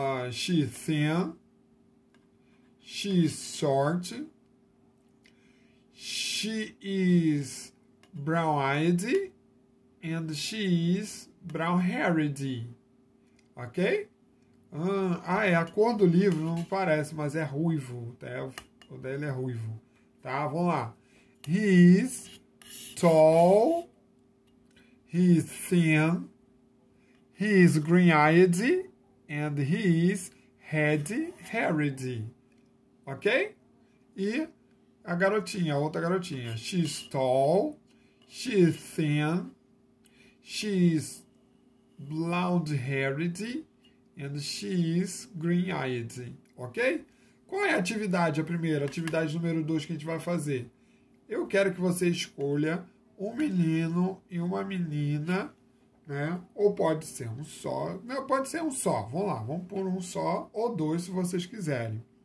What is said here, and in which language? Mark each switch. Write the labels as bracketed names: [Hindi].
[English] She's thin, she's short, she is brown-eyed, and she is brown-haired. Ok? [Portuguese] A cor do livro não parece, mas é ruivo. O dele é ruivo. Tá, vamos lá. [English] He is tall. He is thin, he is green-eyed, and he is red-haired. Ok? [Portuguese] E a garotinha, a outra garotinha. [English] She's tall, she is thin, she is blonde-haired, and she is green-eyed. Ok? [Portuguese] Qual é a atividade, a primeira? Atividade número 2 que a gente vai fazer. Eu quero que você escolha um menino e uma menina, né? Ou pode ser um só. Não, pode ser um só. Vamos lá. Vamos por um só ou dois, se vocês quiserem.